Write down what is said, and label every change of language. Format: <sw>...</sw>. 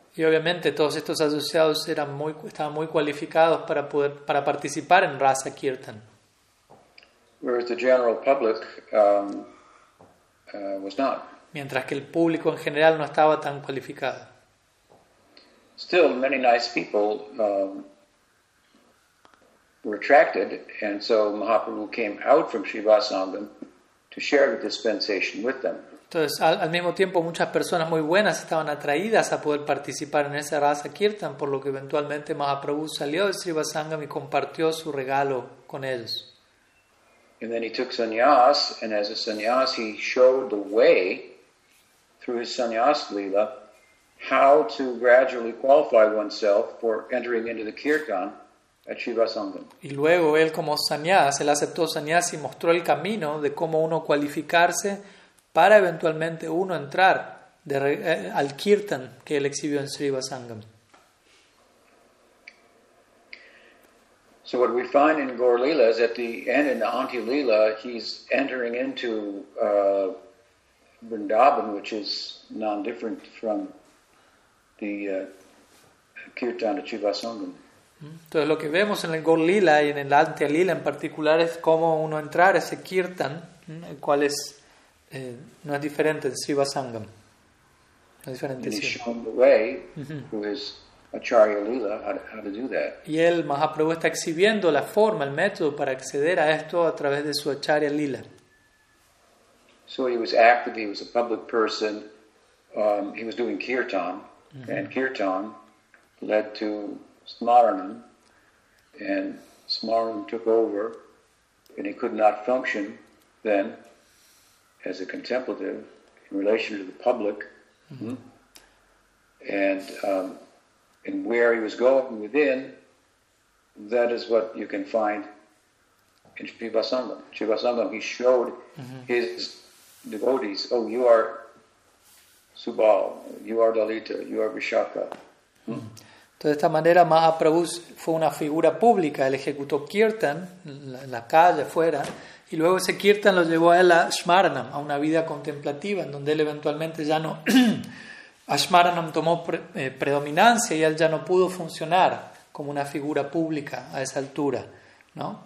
<es>Y obviamente todos estos asociados estaban muy cualificados para poder para participar en Rasa Kirtan.</es> <en>Whereas the general public was not.</en> <es>Mientras que el público en general no estaba tan cualificado.</es> <en>Still, many nice people were attracted, and so Mahaprabhu came out from Srivasangam to share the dispensation with them.</en> <es>Entonces, al mismo tiempo, muchas personas muy buenas estaban atraídas a poder participar en esa Rasa Kirtan, por lo que eventualmente Mahaprabhu salió de Srivasangam y compartió su regalo con ellos.</es> <en>And then he took sannyas, and as a sannyas, he showed the way through his sannyas lila how to gradually qualify oneself for entering into the kirtan at Srivasangam.</en> <es>Y luego él como sannyas, él aceptó sannyas y mostró el camino de cómo uno cualificarse para eventualmente uno entrar al kirtan que él exhibió en Srivasangam.</es> <en>So what we find in Gaur Lila is at the end, in the Anti Lila, he's entering into Vrindavan, which is non-different from the kirtan at Srivasangam.</en> <es>Entonces lo que vemos en el Gaur Lila y en el Anti Lila en particular es cómo uno entrar ese kirtan, el cual es no es diferente de Srivasangam. No es diferente.</es> <en>And he's shown the way through his Acharya Lila, how to do that.</en> <es>Y el Mahaprabhu está exhibiendo la forma, el método para acceder a esto a través de su Acharya Lila.</es> <en>So he was active, he was a public person, he was doing kirtan, and kirtan led to Smaranam, and Smaranam took over, and he could not function then as a contemplative in relation to the public. And where he was going within, that is what you can find in Srivasangam. Srivasangam, he showed his devotees, oh, you are Subal, you are Dalita, you are Vishaka.</en> <es>Entonces, de esta manera, Mahaprabhu fue una figura pública. Él ejecutó kirtan en la calle, afuera, y luego ese kirtan lo llevó a él a Smaranam, a una vida contemplativa, en donde él eventualmente ya no... Asmaranam tomó predominancia y él ya no pudo funcionar como una figura pública a esa altura, ¿no?</es>